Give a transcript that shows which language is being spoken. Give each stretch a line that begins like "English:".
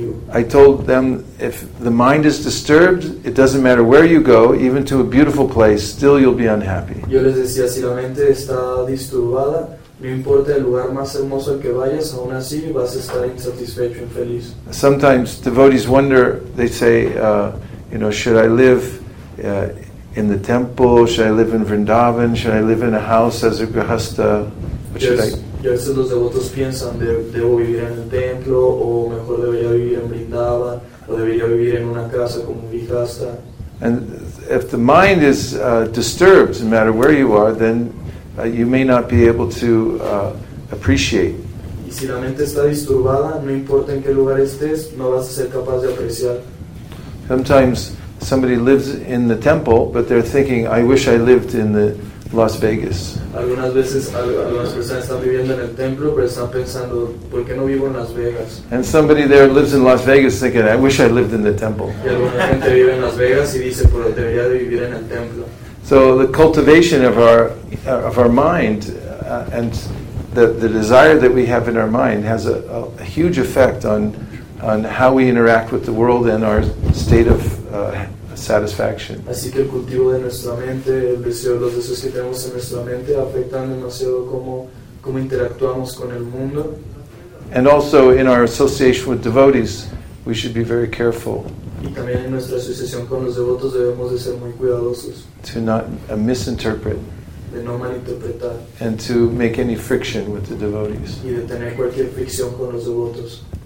English: I told them, if the mind is disturbed, it doesn't matter where you go, even to a beautiful place, still you'll be unhappy.
Spanish: Yo les decía, si la mente está disturbada, no importa el lugar más hermoso al que vayas, aún así vas a estar insatisfecho, infeliz.
English: Sometimes devotees wonder, they say, should I live in the temple? Should I live in Vrindavan? Should I live in a house as a grihastha? What should I?
Spanish: Yo a veces los devotos piensan, ¿debo vivir en el templo? ¿O mejor debería vivir en Vrindavan? ¿O debería vivir en una casa como un grihastha?
English: And if the mind is disturbed, no matter where you are, then you may not be able to appreciate.
Spanish: Y si la mente está disturbada, no importa en qué lugar estés, no vas a ser capaz de apreciar.
English: Sometimes somebody lives in the temple, but they're thinking, I wish I lived in the Las Vegas.
Spanish: Algunas veces algunas personas están viviendo en el templo, pero están pensando, ¿por qué no vivo en Las Vegas?
English: And somebody there lives in Las Vegas thinking, I wish I lived in the temple.
Spanish: Y alguna gente vive en Las Vegas y dice, pero debería de vivir en el templo.
English: So the cultivation of our mind and the desire that we have in our mind has a huge effect on how we interact with the world and our state of satisfaction.
Spanish: Así que el cultivo de nuestra mente, el deseo, los deseos que tenemos en nuestra mente afectan demasiado cómo interactuamos con el mundo.
English: And also in our association with devotees, we should be very careful.
Spanish: Y también en nuestra asociación con los devotos debemos de ser muy cuidadosos.
English: To not misinterpret.
Spanish: De no malinterpretar.
English: And to make any friction with the devotees.
Spanish: Y de tener cualquier fricción con los devotos.